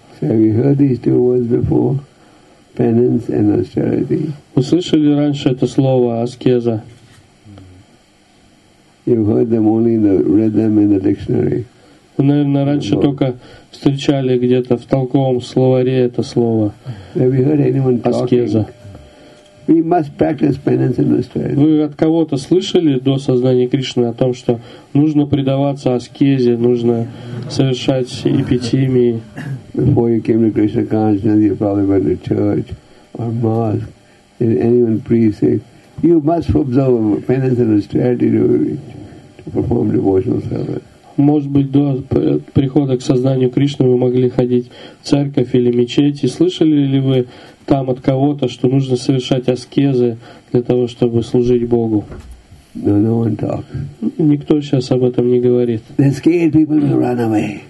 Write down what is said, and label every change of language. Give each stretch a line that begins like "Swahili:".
English: So have you heard these two words before? Penance and austerity.
Russian: Услышали раньше это слово аскеза?
English: You heard them only in the, read them in the dictionary.
Russian: Вы, наверное, раньше только встречали где-то в толковом словаре это слово.
English: Have you heard anyone аскеза? We must practice penance and austerity.
Russian: Вы от кого-то слышали до сознания Кришны о том, что нужно предаваться аскезе, нужно совершать эпитимии?
English: Before you came to Krishna consciousness, you probably went to church or mosque. Did anyone priest say, you must observe penance and austerity to perform devotional service?
Russian: Может быть, до прихода к сознанию Кришны вы могли ходить в церковь или мечеть, и слышали ли вы там от кого-то, что нужно совершать аскезы для того, чтобы служить Богу?
English: No, no one talks.
Russian: Никто сейчас об этом не говорит.
English: They're scared people will run away.